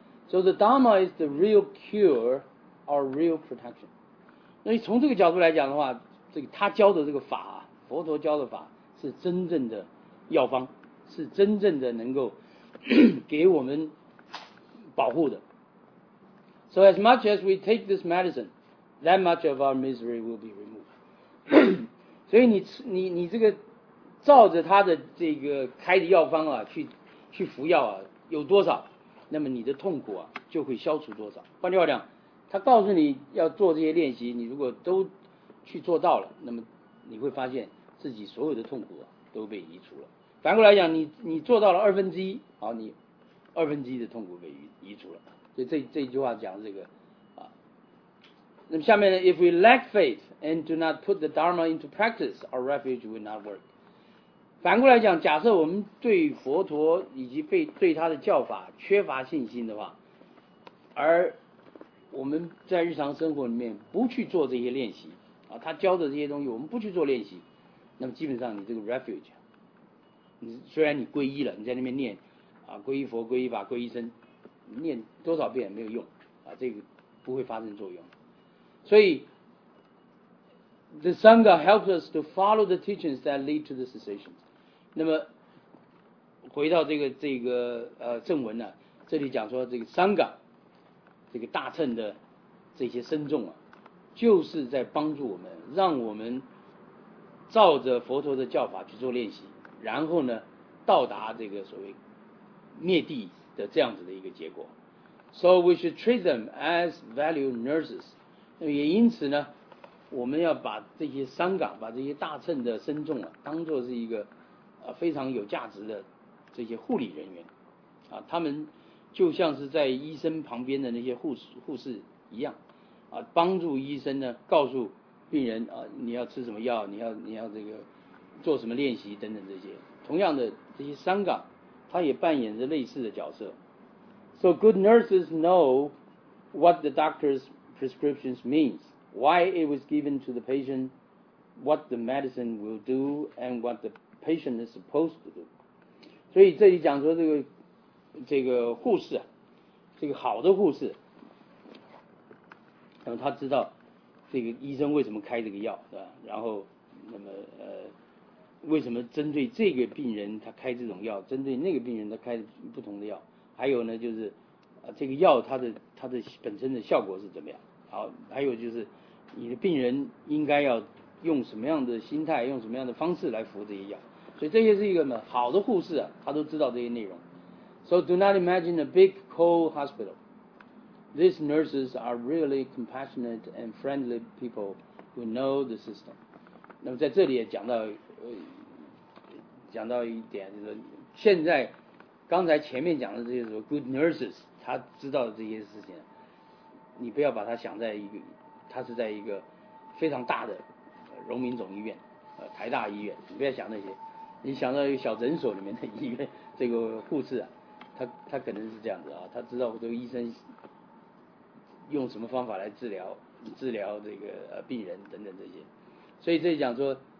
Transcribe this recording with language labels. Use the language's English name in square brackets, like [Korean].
[English] So the Dharma is the real cure or real protection. [Chinese] 那从这个角度来讲的话，这个他教的这个法，佛陀教的法是真正的药方，是真正的能够给我们保护的。 [English] So as much as we take this medicine, that much of our misery will be removed. [Chinese] 所以你这个照着他的这个开的药方啊，去服药啊，有多少，那么你的痛苦啊就会消除多少。换句话讲，他告诉你要做这些练习，你如果都去做到了，那么你会发现自己所有的痛苦啊都被移除了。反过来讲，你做到了二分之一，好，你二分之一的痛苦被移除了。所以这句话讲这个啊。那么下面呢 [English] ，If we lack faith and do not put the Dharma into practice, our refuge will not work。 [Chinese] 反过来讲，假设我们对佛陀以及对他的教法缺乏信心的话，而我们在日常生活里面不去做这些练习啊，他教的这些东西我们不去做练习，那么基本上你这个 refuge。你虽然你皈依了，你在那边念啊，皈依佛、皈依法、皈依僧，念多少遍也没有用啊，这个不会发生作用。所以 [English] ，the sangha helps us to follow the teachings that lead to the cessation。 [Chinese] 那么回到这个正文呢、啊，这里讲说这个 sangha 这个大乘的这些僧众啊，就是在帮助我们，让我们照着佛陀的教法去做练习。然后呢，到达这个所谓灭谛的这样子的一个结果。 [English] So we should treat them as value nurses. [Chinese] 那么也因此呢，我们要把这些僧伽，把这些大乘的僧众啊，当作是一个非常有价值的这些护理人员啊，他们就像是在医生旁边的那些护士一样啊，帮助医生呢，告诉病人啊，你要吃什么药，你要这个。做什么练习等等这些，同样的这些三岗，他也扮演着类似的角色。 [English] So good nurses know what the doctor's prescriptions means, why it was given to the patient, what the medicine will do, and what the patient is supposed to do. [Chinese] 所以这里讲说这个护士，这个好的护士，那么他知道这个医生为什么开这个药，是吧？然后那么为什么针对这个病人他开这种药，针对那个病人他开不同的药，还有呢就是这个药它的本身的效果是怎么样，好，还有就是你的病人应该要用什么样的心态，用什么样的方式来服这些药。所以这些是一个呢好的护士啊，他都知道这些内容。 [English] So do not imagine a big cold hospital. These nurses are really compassionate and friendly people who know the system. [Chinese] 那么在这里也讲到一点，就是现在刚才前面讲的这些什么 [English] good nurses， [Chinese] 他知道的这些事情，你不要把他想在一个，他是在一个非常大的荣民总医院，台大医院，你不要想那些，你想到一个小诊所里面的医院，这个护士啊，他可能是这样子啊，他知道这个医生用什么方法来治疗这个病人等等这些，所以这里讲说。